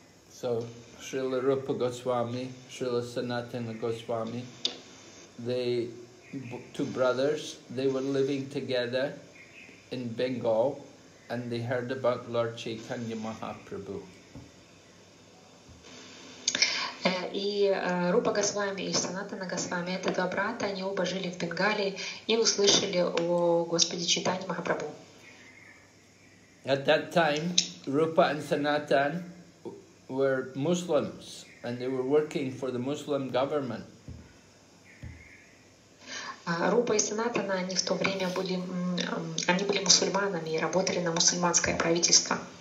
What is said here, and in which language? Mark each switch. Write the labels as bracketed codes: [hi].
[en] So, Шрила Рупа Госвами, Шрила Санатана Госвами, they, two brothers, they were living together in Bengal, and they heard about Lord Chaitanya Mahaprabhu. [ru] И Рупа Госвами и Санатана Госвами, это два брата, они оба жили в Бенгале и услышали о Господе Чайтанье Махапрабху. [en] At that time, Rupa and Sanatan were Muslims, and they were working for the Muslim government. [ru] Рупа и Санатана, они в то время были, они были мусульманами и работали на мусульманское правительство.